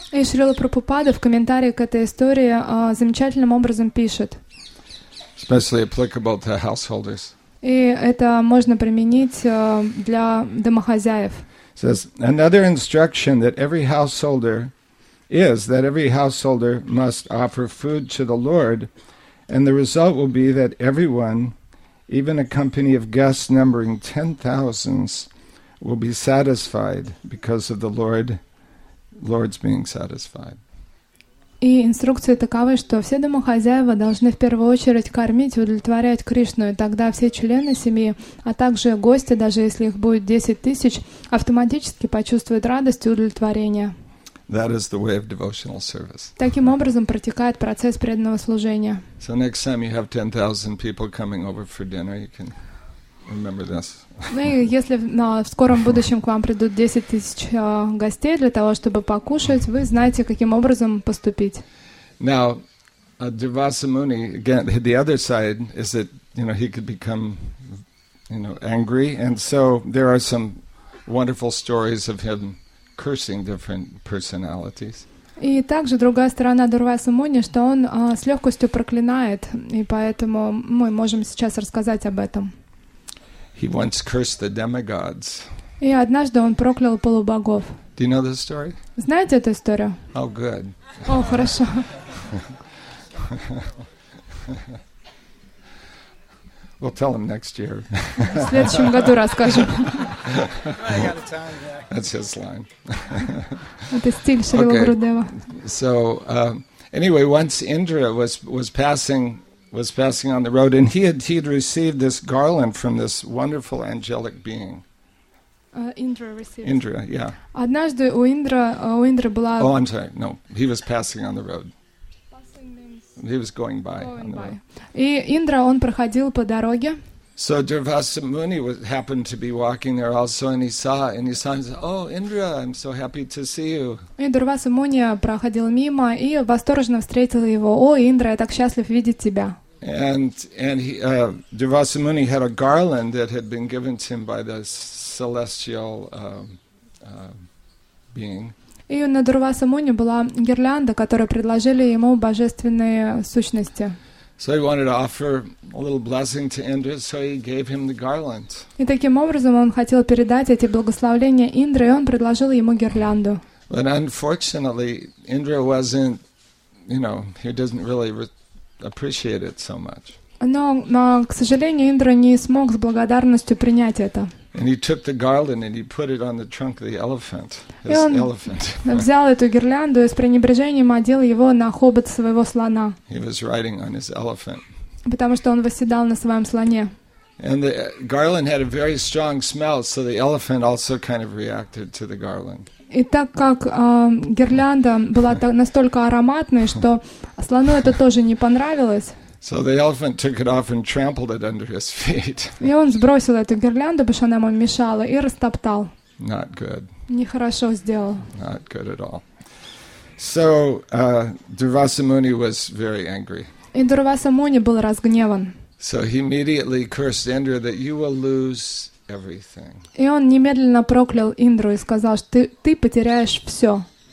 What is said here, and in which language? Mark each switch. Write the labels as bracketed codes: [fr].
[ru] И Шрила Прабхупада в комментарии к этой истории замечательным образом пишет. [en] Especially applicable to householders. [ru] И это можно применить для домохозяев. [en] Says another instruction that every householder is that every householder must offer food to the Lord, and the result will be that everyone, even a company of guests numbering 10,000s, will be satisfied because of the Lord. Lord's being satisfied. [ru] И инструкция такова, что все домохозяева должны в первую очередь кормить и удовлетворять Кришну, и тогда все члены семьи, а также гости, даже если их будет 10,000, автоматически почувствуют радость и удовлетворение. [en] That is the way of devotional service. [ru] Таким образом протекает процесс преданного служения. [en] So next time you have 10,000 people coming over for dinner, you can remember this. [ru] Ну и если в скором будущем к вам придут 10,000 гостей для того, чтобы покушать, вы знаете, каким образом поступить. [en] Now, Devasamuni, again, the other side is that, you know, he could become, you know, angry, and so there are some wonderful stories of him cursing different personalities. [ru] И также другая сторона Дурвасамуни, что он с легкостью проклинает, и поэтому мы можем сейчас рассказать об этом. [en] He once cursed the demigods. [ru] И однажды он проклял полубогов. [en] Do you know this story? [ru] Знаете эту историю? [en] Oh, good. [ru] О, хорошо. [en] We'll tell him next year. [ru] В следующем году расскажем. [en] That's his line. [ru] Это стиль Шрилы Гурудева. [en] So, anyway, once Indra was passing on the road, and he had received this garland from this wonderful angelic being. He was passing on the road. Passing means he was going by. [ru] И Индра, он проходил по дороге. [en] So Durvasamuni happened to be walking there also, and he saw and said, "Oh, Indra, I'm so happy to see you." [ru] И Дурвасамуни проходил мимо и восторженно встретил его. О, Индра, я так счастлив видеть тебя. [en] And Devasamuni had a garland that had been given to him by this celestial being. [ru] И на Дурвасамуни была гирлянда, которую предложили ему божественные сущности. [en] So he wanted to offer a little blessing to Indra, so he gave him the garland. [ru] И таким образом он хотел передать эти благословения Индре, и он предложил ему гирлянду. [en] But unfortunately, Indra wasn't, you know, he doesn't really appreciate it so much. [ru] Но, к сожалению, Индра не смог с благодарностью принять это. [en] And he took the garland and he put it on the trunk of the elephant. [ru] И он взял эту гирлянду и с пренебрежением одел его на хобот своего слона. [en] He was riding on his elephant. [ru] Потому что он восседал на своем слоне. [en] And the garland had a very strong smell, so the elephant also kind of reacted to the garland. [ru] И так как гирлянда была настолько ароматной, что слону это тоже не понравилось. [en] So the elephant took it off and trampled it under his feet. [ru] И он сбросил эту гирлянду, потому что она ему мешала, и растоптал. [en] Not good. [ru] Нехорошо сделал. [en] Not good at all. So Durvasa Muni was very angry. [ru] И Дурвасса Муни был разгневан. [en] So he immediately cursed Indra that you will lose everything. [ru] И он немедленно проклял Индру и сказал, что ты потеряешь все.